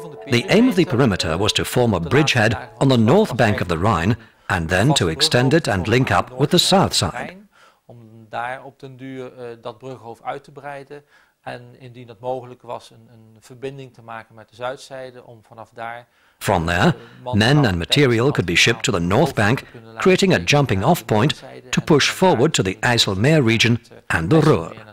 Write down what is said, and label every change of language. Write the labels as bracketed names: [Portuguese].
[English] The aim of the perimeter was to form a bridgehead on the north bank of the Rhine and then to extend it and link up with the south side. [Dutch] Om daar op den duur dat brughoofd uit te breiden en indien dat mogelijk was een verbinding te maken met de zuidzijde om vanaf daar. [English] From there, men and material could be shipped to the north bank, creating a jumping off point to push forward to the IJsselmeer region and the Ruhr.